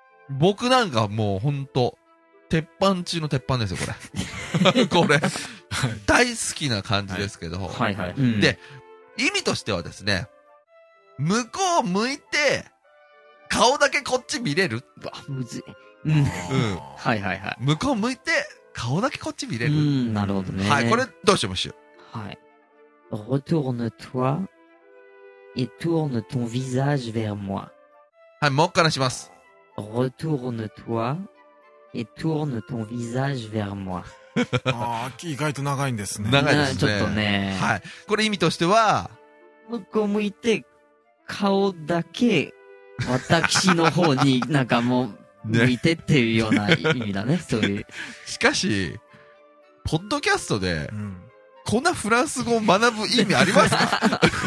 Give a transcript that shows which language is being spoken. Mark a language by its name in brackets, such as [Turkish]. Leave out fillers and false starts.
[Japanese] 僕なんかもうほんと鉄板中の鉄板ですよこれこれ大好きな感じですけど、はい、はいはい、で、うん、意味としてはですね、向こう向いて顔だけこっち見れる、わむずい、うん、はいはいはい、向こう向いて顔だけこっち見れる、うん、なるほどね、はい、これどうしましょう、 [French] はい、retourne-toi et tourne ton visage vers moi、 [Japanese] はい、もう一回します、 [French] retourne-toi et tourne ton visage vers moi、 [Japanese] あ、意外と長いんですね、長いですね、ちょっとね、はい、これ意味としては向こう向いて顔だけ私の方になんかもう向いてっていうような意味だね、そういう、しかしポッドキャストで、うん、こんなフランス語を学ぶ意味ありますか？